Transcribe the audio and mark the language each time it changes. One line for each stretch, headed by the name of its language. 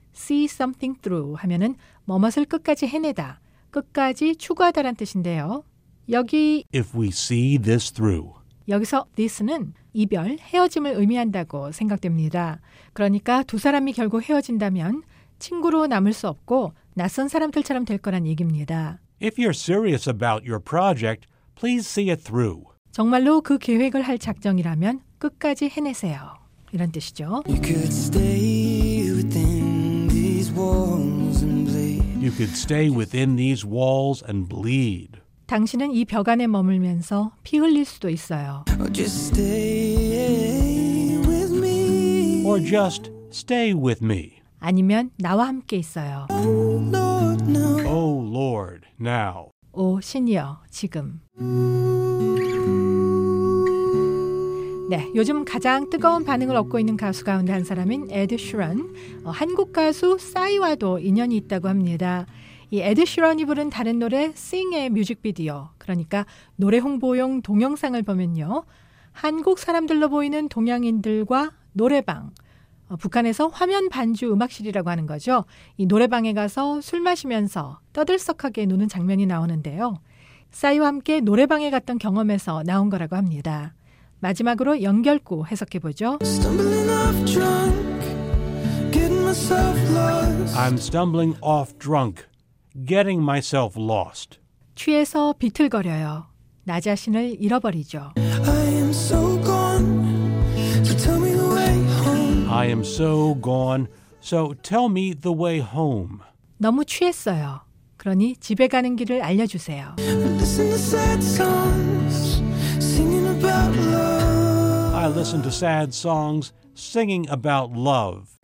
Korean: See something through 하면은 뭐뭇을 끝까지 해내다, 끝까지 추구하다란 뜻인데요. 여기
English: If we see this through.
Korean: 여기서 this는 이별, 헤어짐을 의미한다고 생각됩니다. 그러니까 두 사람이 결국 헤어진다면 친구로 남을 수 없고 낯선 사람들처럼 될 거란 얘기입니다.
English: If you're serious about your project, please see it through.
Korean: 정말로 그 계획을 할 작정이라면 끝까지 해내세요. 이런 뜻이죠.
English: You could stay within these walls and bleed. You could stay within these walls and bleed.
Korean: 당신은 이 벽 안에 머물면서 피 흘릴 수도 있어요.
English: Just stay with me. Or just stay with me.
Korean: 아니면 나와 함께 있어요.
English: Oh Lord, now. Oh Lord, now.
Korean: 오 신이여, 지금. 네, 요즘 가장 뜨거운 반응을 얻고 있는 가수 가운데 한 사람인 에드 슈런. 한국 가수 싸이와도 인연이 있다고 합니다. 이 에드 슈런이 부른 다른 노래 Sing의 뮤직비디오, 그러니까 노래 홍보용 동영상을 보면요. 한국 사람들로 보이는 동양인들과 노래방, 북한에서 화면 반주 음악실이라고 하는 거죠. 이 노래방에 가서 술 마시면서 떠들썩하게 노는 장면이 나오는데요. 싸이와 함께 노래방에 갔던 경험에서 나온 거라고 합니다. 마지막으로 연결구 해석해보죠.
English: Stumbling off drunk, getting myself lost. I'm stumbling off drunk, getting myself lost.
Korean: 취해서 비틀거려요. 나 자신을 잃어버리죠.
English: I am so gone, so tell me the way home. I am so gone, so tell me the way home.
Korean: 너무 취했어요. 그러니 집에 가는 길을 알려주세요.
English: Listen to sad songs, singing about love. I listen to sad songs, singing about love.